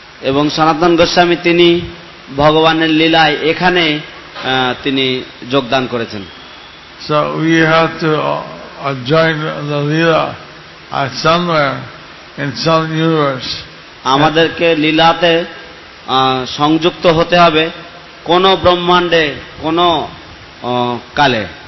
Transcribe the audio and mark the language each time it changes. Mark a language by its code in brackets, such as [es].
[bn] এবং সনাতন গোস্বামী তিনি ভগবানের লীলায় এখানে তিনি যোগদান করেছেন। [en] So we have to join the Lila somewhere in some universe. [bn] আমাদেরকে লীলাতে সংযুক্ত হতে হবে কোন ব্রহ্মাণ্ডে কোন কালে।